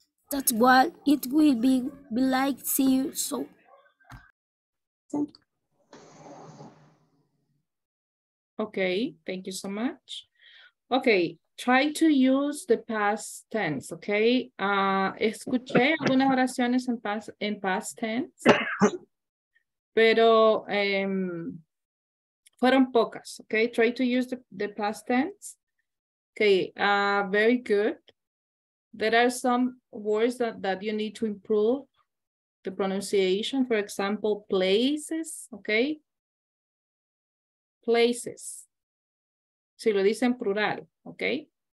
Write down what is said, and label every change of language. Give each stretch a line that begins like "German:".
English: That's what it will be like, see you soon. Thank you. Okay, thank you so much. Okay, try to use the past tense, okay?
Spanish: Escuché algunas oraciones en past tense, pero fueron pocas, okay?
English: Try to use the past tense. Okay, very good. There are some words that you need to improve the pronunciation, for example, places, okay? Places.
Spanish: Si lo dice en plural, okay?